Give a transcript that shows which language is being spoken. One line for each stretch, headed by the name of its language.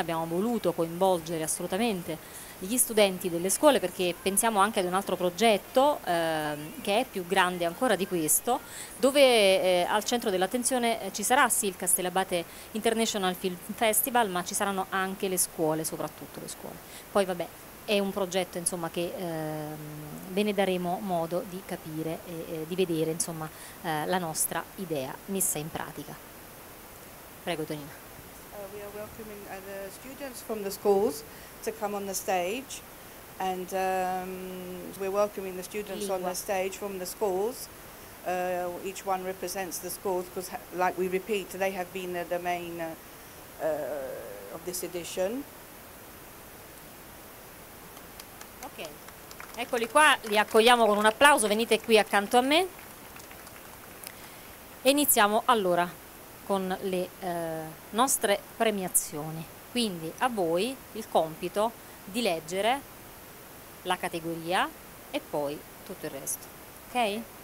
Italian: Abbiamo voluto coinvolgere assolutamente gli studenti delle scuole, perché pensiamo anche ad un altro progetto che è più grande ancora di questo, dove al centro dell'attenzione ci sarà sì il Castellabate International Film Festival, ma ci saranno anche le scuole, soprattutto le scuole. Poi vabbè, è un progetto, insomma, che ve ne daremo modo di capire e di vedere, insomma, la nostra idea messa in pratica. Prego, Tonina.
English: We are welcoming the students from the schools to come on the stage, and we're welcoming the students on the stage from the schools. Each one represents the schools, because like we repeat, they have been the main of this edition.
Italian: Ok, eccoli qua, li accogliamo con un applauso, venite qui accanto a me e iniziamo allora con le nostre premiazioni. Quindi a voi il compito di leggere la categoria e poi tutto il resto, ok?